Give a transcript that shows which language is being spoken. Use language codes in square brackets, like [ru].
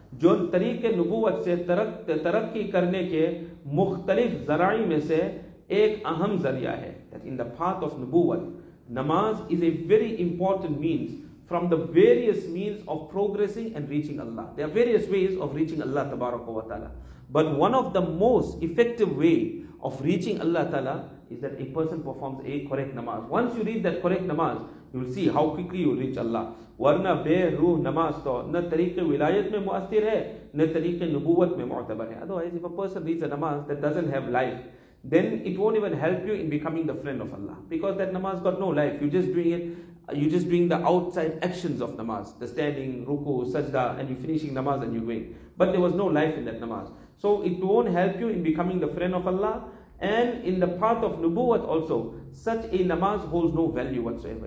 [ur] جو طریق نبوت سے ترقی کرنے کے مختلف ذرائع میں سے ایک اہم ذریعہ ہے. [en] That in the path of نبوت, namaz is a very important means from the various means of progressing and reaching Allah. There are various ways of reaching Allah تبارک و تعالی. But one of the most effective way of reaching Allah تعالی is that a person performs a correct namaz. Once you read that correct namaz, you will see how quickly you will reach Allah. [ur] ورنہ بے روح نماز تو نہ طریق ولایت میں مؤثر ہے نہ طریق نبوت میں معتبر ہے. [en] Otherwise, if a person reads a namaz that doesn't have life, then it won't even help you in becoming the friend of Allah. Because that namaz got no life. You're just doing the outside actions of namaz. The standing, ruku, sajda, and you're finishing namaz and you're going. But there was no life in that namaz. So it won't help you in becoming the friend of Allah. And in the path of nubuwwat also, such a namaz holds no value whatsoever.